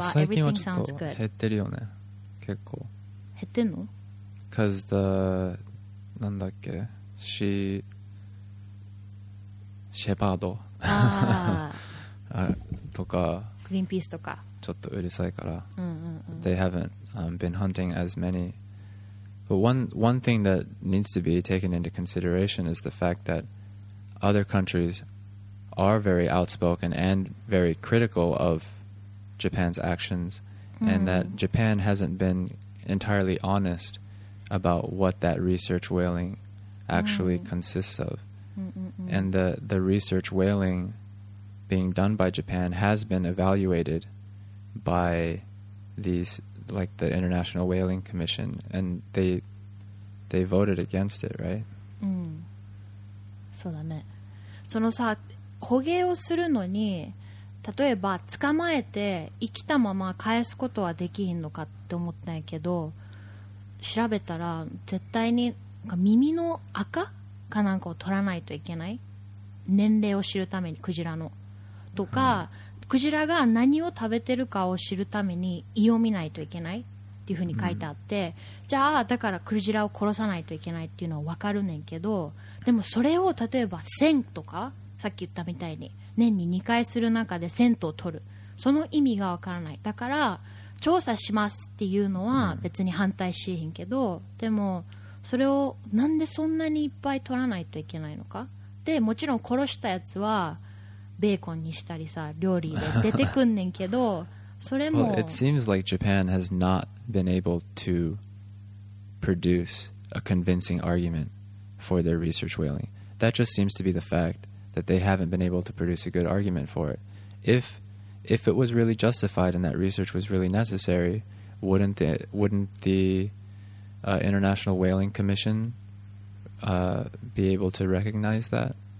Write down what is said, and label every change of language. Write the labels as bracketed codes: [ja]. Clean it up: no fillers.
[ja] 最近はちょっと減ってるよね。結構減ってんの [en] Cause the [ja] なんだっけシーシェパードあーとかグリーンピースとかちょっとうるさいから、うんうんうん、 [en] They haven't、been hunting as manyBut one thing that needs to be taken into consideration is the fact that other countries are very outspoken and very critical of Japan's actions、mm. and that Japan hasn't been entirely honest about what that research whaling actually、mm. consists of.、 Mm-mm-mm. And the research whaling being done by Japan has been evaluated by these... like the International Whaling Commission and they voted against it, right? [ja] うん、そうだね。そのさ、捕鯨をするのに例えば捕まえて生きたまま返すことはできひんのかって思ったんやけど、調べたら絶対になんか耳の赤かなんかを取らないといけない、年齢を知るためにクジラのとか、うん、クジラが何を食べてるかを知るために胃を見ないといけないっていう風に書いてあって、うん、じゃあだからクジラを殺さないといけないっていうのは分かるねんけど、でもそれを例えば1000とかさっき言ったみたいに年に2回する中で1000頭取る、その意味が分からない。だから調査しますっていうのは別に反対しへんけど、でもそれをなんでそんなにいっぱい取らないといけないのか。でもちろん殺したやつはベーコンにしたりさ、料理で出てくんねんけど、それも。 [en] Well, it seems like Japan has not been able to produce a convincing argument for their research whaling. That just seems to be the fact that they haven't been able to produce a good argument for it. If it was really justified and that research was really necessary, wouldn't the International Whaling Commission be able to recognize that?